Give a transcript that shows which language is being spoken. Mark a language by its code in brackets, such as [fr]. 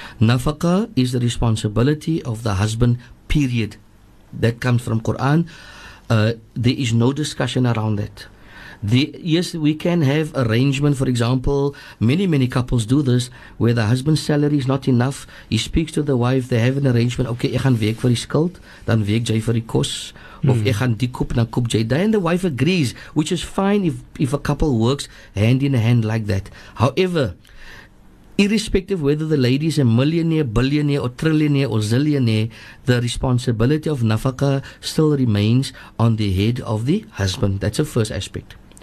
[en] Nafaka is the responsibility of the husband, period. That comes from Quran. There is no discussion around that. Yes, we can have arrangement. For example, many, many couples do this, where the husband's salary is not enough. He speaks to the wife. They have an arrangement. [af] Okay, ek gaan werk vir die skuld, dan werk jy vir die kos. Of ek gaan die koop, dan koop jy die. [en] And the wife agrees, which is fine if a couple works hand in hand like that. However, irrespective whether the lady is a millionaire, billionaire, or trillionaire, or zillionaire, the responsibility of nafaka still remains on the head of the husband. That's the first aspect.